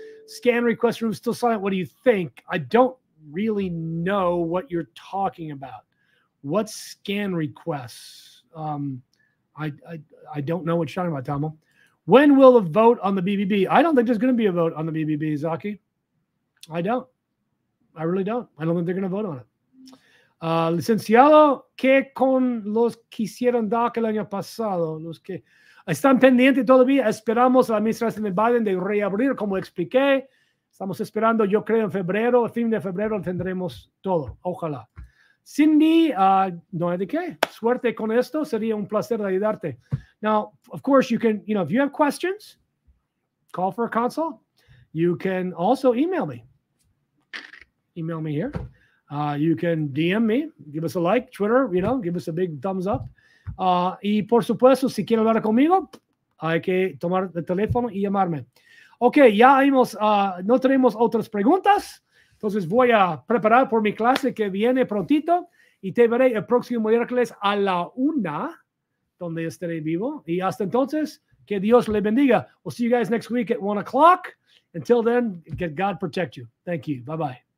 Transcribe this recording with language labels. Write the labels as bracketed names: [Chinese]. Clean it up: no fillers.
[English] Scan request room still silent. What do you think? I don't really know what you're talking about. What scan requests? I don't know what you're talking about, Tomo. When will the vote on the BBB? I don't think there's going to be a vote on the BBB, Zaki. I don't. I really don't. I don't think they're going to vote on it. [Spanish] Licenciado, ¿qué con los que hicieron DACA el año pasado? Los que están pendientes todavía. Esperamos a la administración de Biden de reabrir, como expliqué. Estamos esperando, yo creo, en febrero. A fin de febrero tendremos todo. Ojalá. Cindy, no hay de qué. Suerte con esto. Sería un placer ayudarte. [English] Now, of course, you can, you know, if you have questions, call for a consult. You can also email me. Email me here. You can DM me, give us a like, Twitter, you know, give us a big thumbs up. [Spanish] Y por supuesto, si quieres hablar conmigo, hay que tomar el teléfono y llamarme. Okay, ya hemos, no tenemos otras preguntas. Entonces voy a preparar por mi clase que viene prontito y te veré el próximo miércoles a la 1, donde estaré vivo. Y hasta entonces, que Dios le bendiga. [English] We'll see you guys next week at 1 o'clock. Until then, get God protect you. Thank you. Bye-bye.